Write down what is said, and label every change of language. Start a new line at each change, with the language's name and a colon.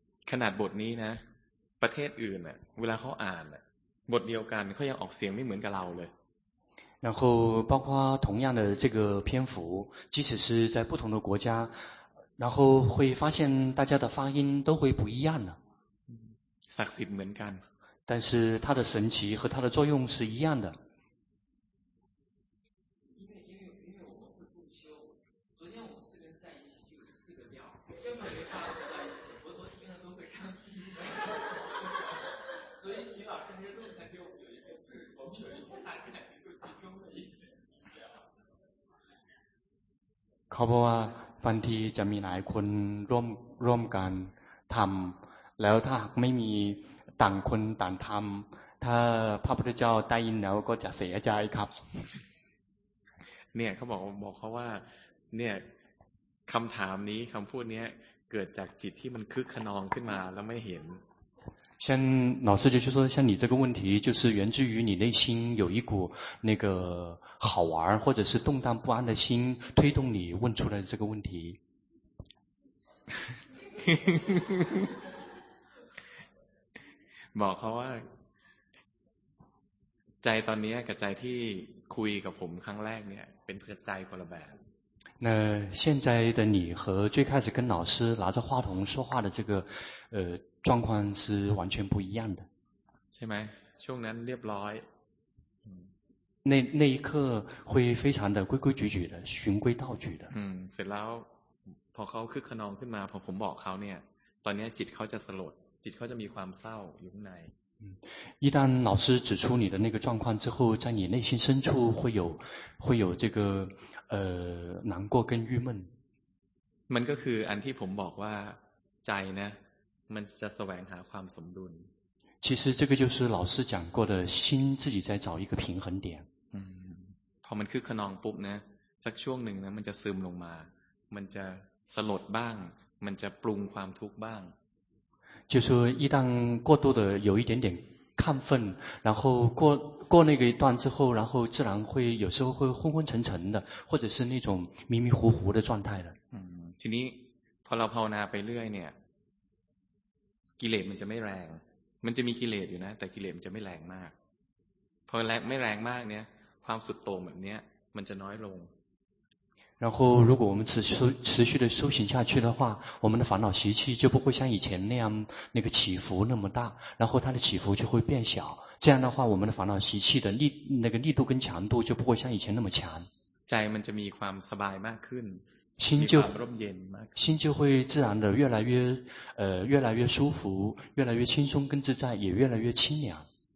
Thai: ขนาดบทนี้นะประเทศอื่นเวลาเขาอ่านบทเดียวกันเขายังออกเสียงไม่เหมือนกับเราเลย
Chinese: 然后包括同样的这个篇幅即使是在不同的国家然后会发现大家的发音都会不一样的
Thai: ศักดิ์สิทธิ์เหมือนกัน
Chinese: 但是它的神奇和它的作用是一样的
Thai: เขาบอกว่าบางทีจะมีหลายคน ร่วมกันทำแล้วถ้าหากไม่มีต่างคนต่างทำถ้าพระพุทธเจ้าได้ยินแล้วก็จะเสียใจครับ เนี่ยเขาบอกเขาว่าเนี่ยคำถามนี้คำพูดนี้เกิดจากจิตที่มันคึกขนองขึ้นมาแล้วไม่เห็น
Chinese: 像老师就是说像你这个问题就是源自于你内心有一股那个好玩或者是动荡不安的心推动你问出了这个问题
Thai: บอกเขาว่าใจตอนนี้กับใจที่คุยกับผมครั้งแรกเนี่ยเป็นเพื่อใจคนละแบบ
Chinese: 那现在的你和最开始跟老师拿着话筒说话的这个状况是完全不一样的
Thai: ใช่ไหมช่วงนั้นเรียบร้อย
Chinese: 那一刻会非常的规规矩矩的循规蹈矩的
Thai: เสร็จแล้วพอเขาคึกขนองขึ้นมาผมบอกเขาเนี่ยตอนนี้จิตเขาจะสลดจิตเขาจะมีความเศร้าอยู่ใน
Chinese: 一旦老师指出你的那个状况之后在你内心深处会有这个难过跟郁闷
Thai: มันก็คืออันที่ผมบอกว่าใจนะมันจะแสวงหาความสมดุล
Chinese: 其实这个就是老师讲过的心自己在找一个平衡点
Thai: พอมันคึกขนองปุ๊บนะสักช่วงหนึ่งนะมันจะซึมลงมามันจะสลดบ้างมันจะปรุงความทุกข์บ้าง
Chinese: 就是一旦过度的有一点点亢奋然后过那个一段之后然后自然会有时候会昏昏沉沉的或者是那种迷迷糊糊的状态的
Thai: ทีนี้พอเราภาวนาไปเรื่อยเนี่ยกิเลสมันจะไม่แรงมันจะมีกิเลสอยู่นะแต่กิเลสมันจะไม่แรงมากพอแรงไม่แรงมากเนี่ยความสุดโต่งแบบเนี้ยมันจะน้อยลง
Chinese: 然后如果我们持续的修行下去的话我们的烦恼习气就不会像以前那样那个起伏那么大然后它的起伏就会变小这样的话我们的烦恼习气的力度跟强度就不会像以前那么强
Thai: ใจมันจะมีความสบายมากขึ้น สิ่งที่
Chinese: 会自然的越来越舒服越来越轻松跟自在也越来越清凉